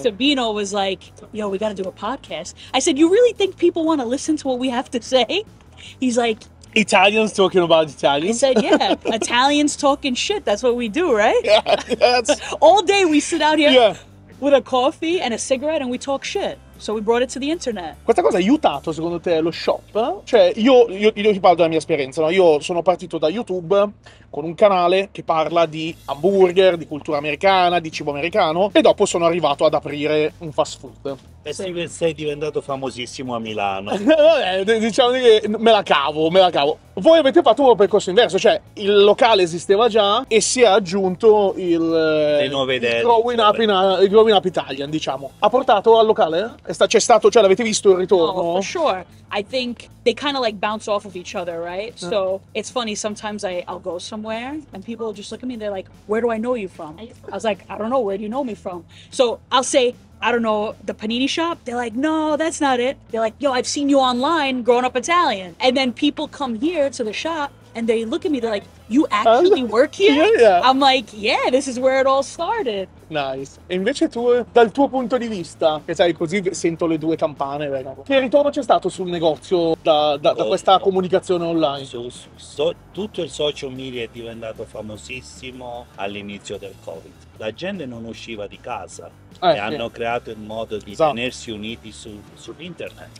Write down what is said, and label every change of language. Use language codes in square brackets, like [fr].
[en] Sabino was like, yo, we gotta do a podcast. I said, you really think people want to listen to what we have to say? He's like, Italians talking about Italians. He said, yeah, Italians talking shit. That's what we do, right? Yeah. All day we sit out here with a coffee and a cigarette and we talk shit. So we brought it to the internet. [it] Questa cosa ha aiutato secondo te lo shop? Cioè, io ti parlo della mia esperienza, no? Io sono partito da YouTube con un canale che parla di hamburger, di cultura americana, di cibo americano, e dopo sono arrivato ad aprire un fast food. E sei diventato famosissimo a Milano. Vabbè, diciamo che me la cavo. Voi avete fatto un percorso inverso, cioè il locale esisteva già e si è aggiunto il Growing Up Italian, diciamo. Ha portato al locale? C'è stato, l'avete visto il ritorno? [en] Oh, for sure. I think they kind of like bounce off of each other, right? Mm. So it's funny, sometimes I'll go somewhere and people just look at me and they're like, where do I know you from? I was like, I don't know, where do you know me from? So I'll say, I don't know, the panini shop? They're like, no, that's not it. They're like, yo, I've seen you online growing up Italian. And then people come here to the shop and they look at me, they're like, you actually work here? Yeah. I'm like, yeah, this is where it all started. Nice. [it] E invece tu, dal tuo punto di vista, che sai, così sento le due campane, vero? Che ritorno c'è stato sul negozio da questa comunicazione online? Tutto il social media è diventato famosissimo all'inizio del Covid. La gente non usciva di casa e hanno creato il modo di tenersi uniti su internet.